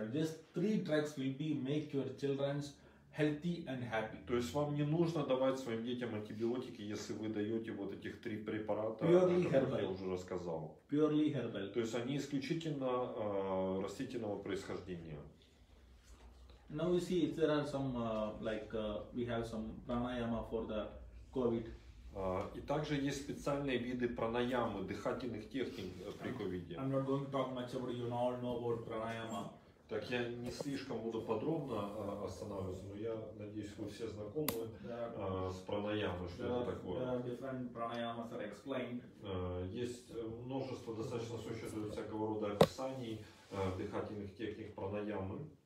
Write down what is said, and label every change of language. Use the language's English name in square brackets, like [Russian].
[English] Just 3 drugs will be make your children's healthy and happy. [Russian] То есть вам не нужно давать своим детям антибиотики, если вы даете вот этих 3 препарата, [English] purely herbal. [Russian] Я уже рассказал. [English] Purely herbal. [Russian] То есть они исключительно растительного происхождения. [English] Now you see, if there are some we have some pranayama for the COVID. [Russian] И также есть специальные виды пранаямы, дыхательных техник при COVID. [English] I'm not going to talk much about, you all know about pranayama. [Russian] Так я не слишком буду подробно останавливаться, но я надеюсь, вы все знакомы с пранаямой, что это такое. [English] Different pranayamas are explained. [Russian] Есть множество достаточно существует всякого рода описаний дыхательных техник пранаямы.